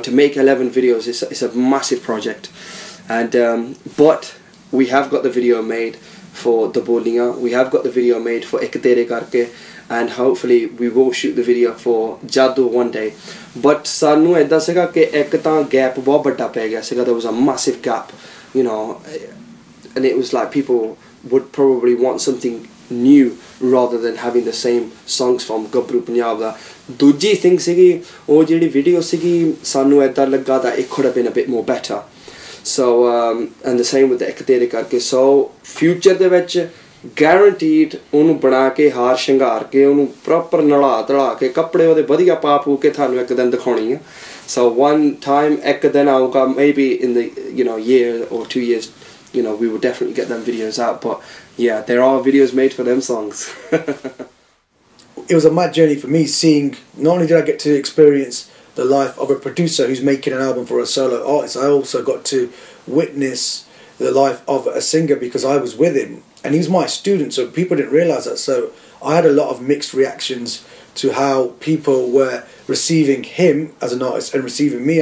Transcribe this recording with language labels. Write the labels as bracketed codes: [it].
[en] To make 11 videos, it's a massive project. And but we have got the video made for The Bollinger, we have got the video made for Ek Tere Karke, and hopefully we will shoot the video for Jadu one day. [pa] But sanu edda siga ke ek ta gap bahut vadda pe gaya siga, [en] there was a massive gap, you know. And it was like people would probably want something new rather than having the same songs from Gabru Punjab Dha [pa] ਦੂਜੀ thing ਸੀਗੀ ਉਹ ਜਿਹੜੀ video ਸੀਗੀ ਸਾਨੂੰ ਇੱਦਾਂ ਲੱਗਾ ਤਾਂ ਇੱਕ ਖੁੜਾ [en] been a bit more better so and the same with [pa] ਇੱਕ ਤੇਰੇ ਕਰਕੇ ਸੋ ਫਿਊਚਰ ਦੇ ਵਿੱਚ ਗਾਰੰਟੀਡ ਉਹਨੂੰ ਬਣਾ ਕੇ ਹਾਰ ਸ਼ਿੰਗਾਰ ਕੇ ਉਹਨੂੰ ਪ੍ਰੋਪਰ ਨੜਾ ਤੜਾ ਕੇ ਕੱਪੜੇ ਉਹਦੇ ਵਧੀਆ ਪਾ ਪੂ ਕੇ ਤੁਹਾਨੂੰ ਇੱਕ ਦਿਨ ਦਿਖਾਉਣੀ ਆ ਸੋ ਵਨ ਟਾਈਮ ਇੱਕ ਦਿਨ ਆਊਗਾ [en] May be in the you know year or two years you know we would definitely get them videos out but yeah there are videos made for them songs It was a mad journey for me seeing, not only did I get to experience the life of a producer who's making an album for a solo artist, I also got to witness the life of a singer because I was with him. And he was my student, so people didn't realise that. So I had a lot of mixed reactions to how people were receiving him as an artist and receiving me.